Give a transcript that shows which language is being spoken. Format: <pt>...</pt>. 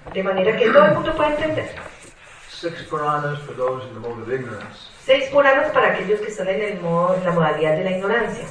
<es>De manera que todo el mundo pueda entender.</es> <en>Six Puranas for those in the mode of ignorance.</en> <es>Seis Puranas para aquellos que están en la modalidad de la ignorancia.</es>